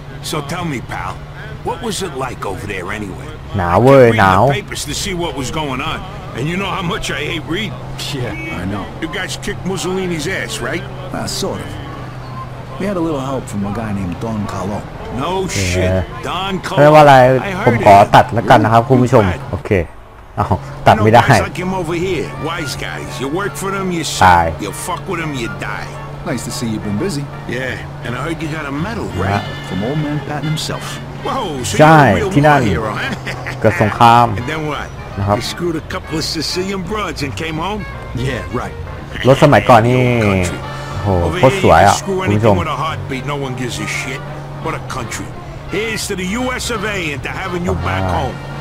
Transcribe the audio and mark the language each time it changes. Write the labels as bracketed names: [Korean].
[English] So tell me pal, what was it like over there anyway? [Thai] หนาวเว้ยหนาว [English] Papers to see what was going on. And you know how much I hate read. Yeah, I know. You guys kicked Mussolini's ass, right? Sort of. We had a little help from a guy named Don Carlo. No shit. Don Carlo. [Thai] ไม่ว่าอะไรผมขอตัดแล้วกันนะครับคุณผู้ชมโอเคตัดไม่ได้ [English] Like him over here. Wise guys. You work for them, you die. You fuck with them, you die. Nice to see you've been busy. Yeah. And I heard you got a medal, right? From old man Patton himself. Whoa, so you're a real war hero, huh? And then what? นะครับ You screwed a couple of Sicilian broads and came home? Yeah, right. [Thai] รถสมัยก่อนนี่โหโคตรสวยอ่ะคุณผู้ชม [English] With a heartbeat, no one gives a shit. What a country. Here's to the US of A and to having you back home.